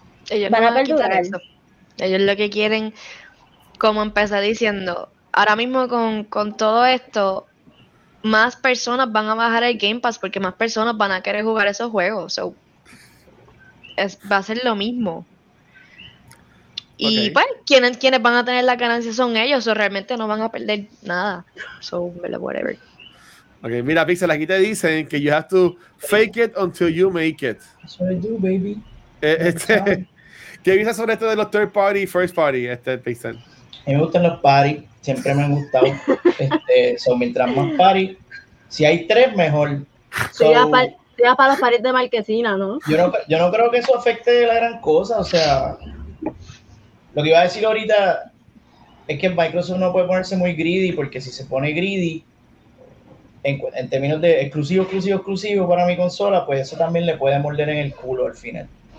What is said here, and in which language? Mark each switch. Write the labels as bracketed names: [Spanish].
[Spanish] Ellos van a perdurar eso. Ellos lo que quieren, como empecé diciendo, ahora mismo con todo esto, más personas van a bajar el Game Pass porque más personas van a querer jugar esos juegos. Va a ser lo mismo. Okay. Y bueno, quienes van a tener la ganancia son ellos, o realmente no van a perder nada. [English] Whatever. [Spanish] Ok, mira, Pixel, aquí te dicen que [English] you have to fake it until you make it. That's what I do, baby. [Spanish] ¿Qué piensas sobre esto de los third party y first party, Pixel? A mí me gustan los party, siempre me han gustado. mientras más party, si hay tres, mejor. Sería para los parties de Marquesina, ¿no? Yo no creo que eso afecte la gran cosa, o sea, lo que iba a decir ahorita es que Microsoft no puede ponerse muy greedy, porque si se pone greedy en términos de exclusivo para mi consola, pues eso también le puede morder en el culo al final.